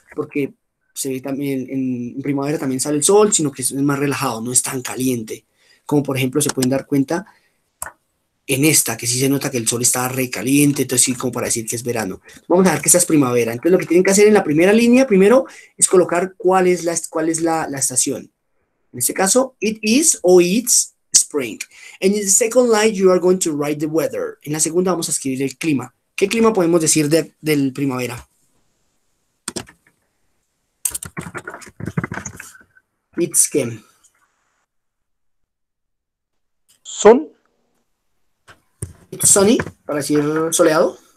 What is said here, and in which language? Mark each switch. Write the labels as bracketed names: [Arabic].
[Spanish] Porque se ve también en primavera también sale el sol, sino que es más relajado, no es tan caliente. Como por ejemplo se pueden dar cuenta en esta, que sí se nota que el sol está re caliente, entonces sí, como para decir que es verano. Vamos a ver que esta es primavera. Entonces lo que tienen que hacer en la primera línea primero es colocar cuál es la estación. En este caso, [English] it is o it's spring. And in the second line, you are going to write the weather. [Spanish] En la segunda vamos a escribir el clima. ¿Qué clima podemos decir del primavera? [English] It's [Spanish] ¿qué? [English] Sun. It's sunny, [Spanish] para decir soleado.